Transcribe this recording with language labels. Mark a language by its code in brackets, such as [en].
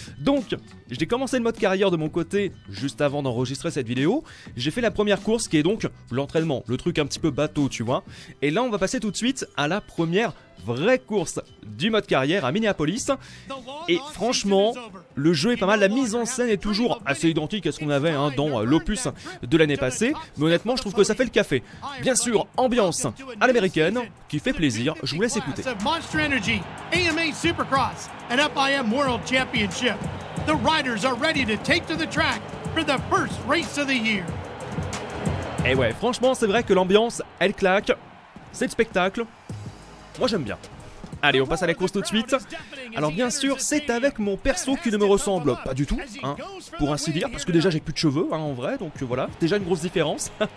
[fr] Donc j'ai commencé le mode carrière de mon côté juste avant d'enregistrer cette vidéo, j'ai fait la première course qui est donc l'entraînement, le truc un petit peu bateau tu vois, et là on va passer tout de suite à la première vraie course du mode carrière à Minneapolis. Et franchement, le jeu est pas mal, la mise en scène est toujours assez identique à ce qu'on avait dans l'opus de l'année passée, mais honnêtement je trouve que ça fait le café. Bien sûr, ambiance à l'américaine qui fait plaisir, je vous laisse écouter. [en] Monster Energy, AMA Supercross and FIM World Championship. The riders are ready to take to the track for the first race of the year. [fr] Et ouais, franchement c'est vrai que l'ambiance, elle claque, c'est le spectacle. Moi j'aime bien. Allez, on passe à la course tout de suite. Alors bien sûr, c'est avec mon perso qui ne me ressemble pas du tout, hein, pour ainsi dire, parce que déjà j'ai plus de cheveux hein, en vrai, donc voilà, déjà une grosse différence.